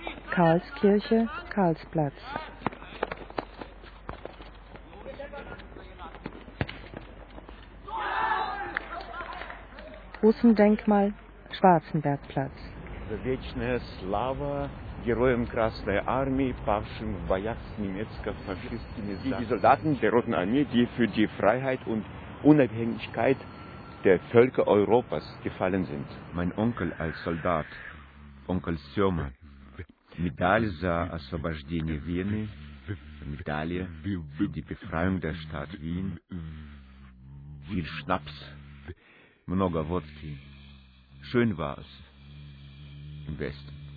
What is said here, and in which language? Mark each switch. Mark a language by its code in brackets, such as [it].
[de] Karlskirche, Karlsplatz. Russendenkmal, Schwarzenbergplatz. [ru] Вечная слава героям Красной Армии, павшим в боях с немецко-фашистскими и солдатам [de] der Roten Armee, die für die Freiheit und Unabhängigkeit der Völker Europas gefallen sind. Mein Onkel als Soldat, Onkel Сёма, [ru] Медаль за освобождение Вены, медаль [de] für die Befreiung der Stadt Wien, viel Schnaps, [ru] много водки. [de] Schön war es. Best.